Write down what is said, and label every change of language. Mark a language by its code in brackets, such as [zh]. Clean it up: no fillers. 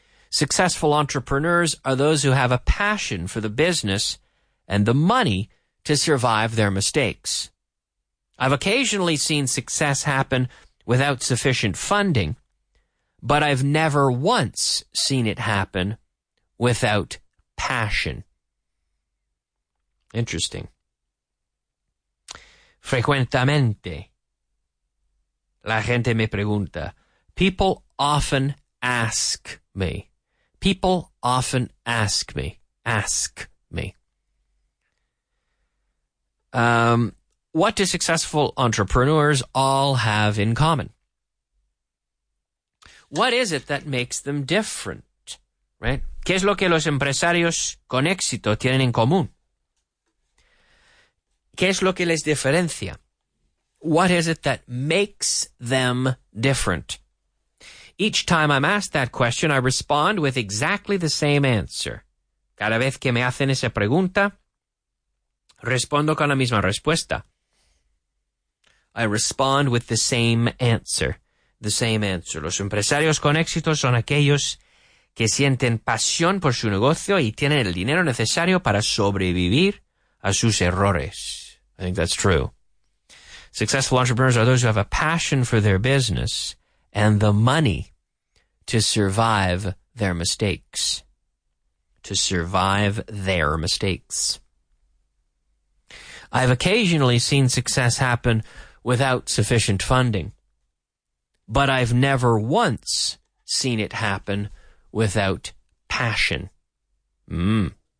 [en] Successful entrepreneurs are those who have a passion for the business and the money to survive their mistakes. I've occasionally seen success happen without sufficient funding, but I've never once seen it happen without passion. Interesting. [es] Frecuentemente, la gente me pregunta. [en] People often ask me. People often ask me. Ask me. What do successful entrepreneurs all have in common? What is it that makes them different? Right? [es] ¿Qué es lo que los empresarios con éxito tienen en común? ¿Qué es lo que les diferencia? [en] What is it that makes them different? Each time I'm asked that question, I respond with exactly the same answer. [es] Cada vez que me hacen esa pregunta, respondo con la misma respuesta. [en] I respond with the same answer. The same answer. [es] Los empresarios con éxito son aquellos que sienten pasión por su negocio y tienen el dinero necesario para sobrevivir a sus errores. [en] I think that's true. Successful entrepreneurs are those who have a passion for their business and the money to survive their mistakes. To survive their mistakes. I've occasionally seen success happen without sufficient funding, but I've never once seen it happen without passion. Mm.